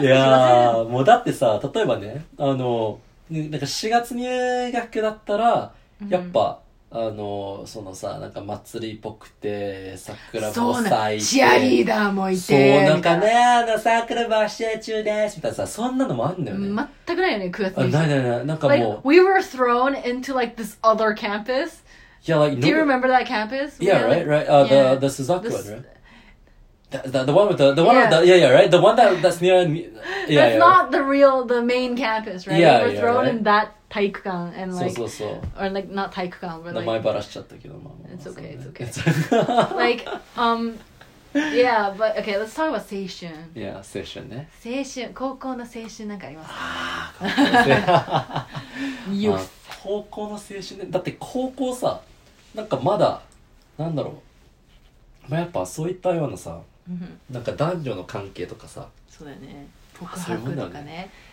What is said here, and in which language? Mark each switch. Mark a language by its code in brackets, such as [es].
[ja] いやー、もうだってさ、例えばね、なんか4月入学だったら、やっぱ、うん、そのさ、なんか祭りっぽくて、桜も咲いて。ね、チアリーダーもいて。そう、なんかね、桜も試合中です。みたいなさ、そんなのもあんのよね。全くないよね、9月に。ない。なんかもう。 [en] Like, we were thrown into like this other campus. Yeah, like, do you remember that campus? Yeah, right. The Suzaku one, right? The one with the, the one that's near, That's not the real, the main campus, right? Yeah, we were thrown in that 体育館 and like, so. Or like, not 体育館 but like, [ja] 名前バラしちゃったけど、まあ、 [en] It's okay. Like, yeah, but okay, let's talk about 青春。 [ja] Yeah, 青春ね。青春、高校の青春なんかありますか？ああ、高校生。高校の青春ね。だって高校さ、なんかまだ、なんだろう。まあ、やっぱそういったようなさ、うん、なんか男女の関係とかさ、そうだよね、告白とかね、